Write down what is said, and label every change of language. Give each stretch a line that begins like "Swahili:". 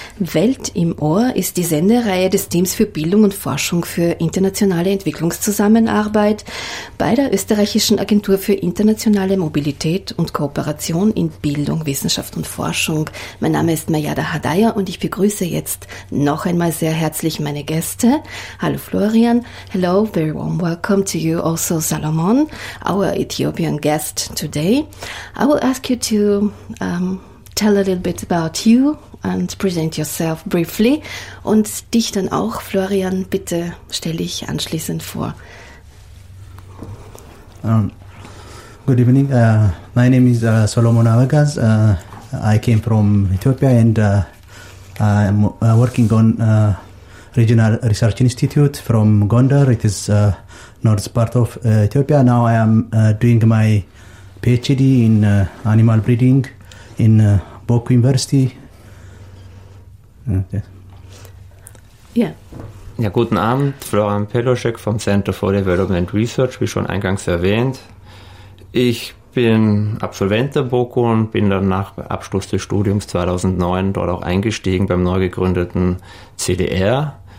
German: Welt im Ohr ist die Sendereihe des Teams für Bildung und Forschung für internationale Entwicklungszusammenarbeit bei der Österreichischen Agentur für internationale Mobilität und Kooperation in Bildung, Wissenschaft und Forschung. Mein Name ist Mayada Hadaya und ich begrüße jetzt noch einmal sehr herzlich meine Gäste. Hallo Florian.
English: Hello, very warm welcome to you also, Salomon. Our Ethiopian guest today. I will ask you to tell a little bit about you and present yourself briefly.
German: Und dich dann auch, Florian, bitte stelle ich anschließend vor.
English: Good evening. My name is Solomon Avagas. I came from Ethiopia and I'm working on Regional Research Institute from Gondar. It is north part of Ethiopia. Now I am doing my PhD in animal breeding in Boku University.
German: Ja, guten Abend. Florian Peloschek vom Center for Development Research, wie schon eingangs erwähnt. Ich bin Absolvent der Boku und bin dann nach Abschluss des Studiums 2009 dort auch eingestiegen beim neu gegründeten CDR.